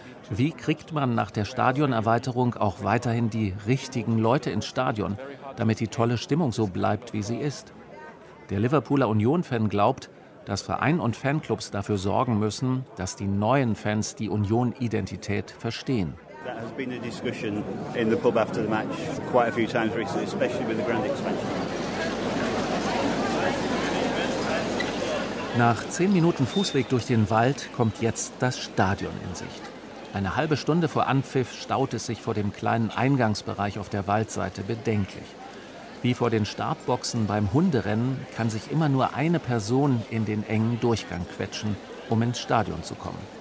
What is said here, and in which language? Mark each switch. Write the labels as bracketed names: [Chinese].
[German] Wie kriegt man nach der Stadionerweiterung auch weiterhin die richtigen Leute ins Stadion, damit die tolle Stimmung so bleibt, wie sie ist? Der Liverpooler Union-Fan glaubt, dass Verein und Fanclubs dafür sorgen müssen, dass die neuen Fans die Union-Identität verstehen. [English] That has been a discussion in the pub after the match quite a few times recently, especially with the grand expansion. [German] Nach 10 Minuten Fußweg durch den Wald kommt jetzt das Stadion in Sicht. Eine halbe Stunde vor Anpfiff staut es sich vor dem kleinen Eingangsbereich auf der Waldseite bedenklich. Wie vor den Startboxen beim Hunderennen kann sich immer nur eine Person in den engen Durchgang quetschen, um ins Stadion zu kommen.